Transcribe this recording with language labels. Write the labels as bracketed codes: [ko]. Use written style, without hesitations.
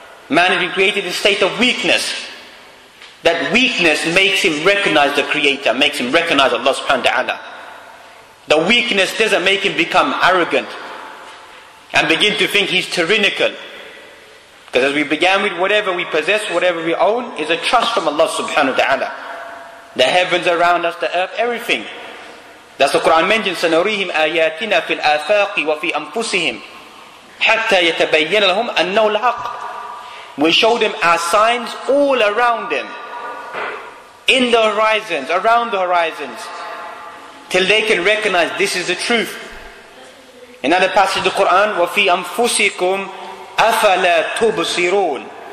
[en] Man has been created in a state of weakness. That weakness makes him recognize the Creator, makes him recognize Allah subhanahu wa ta'ala. The weakness doesn't make him become arrogant and begin to think he's tyrannical. Because as we began with, whatever we possess, whatever we own, is a trust from Allah subhanahu wa ta'ala. The heavens around us, the earth, everything. That's the Quran mentions, [ar] سَنُرِيهِمْ آيَاتِنَا فِي الْآفَاقِ وَفِي أَنفُسِهِمْ حَتَّى يَتَبَيَّنَ لَهُمْ أَنَّهُ الْحَقِّ. [en] We show them our signs all around them. In the horizons, around the horizons. Till they can recognize this is the truth. Another passage of the Quran, [ar] وَفِي أَنفُسِكُمْ أَفَلَا تُبْصِرُونَ.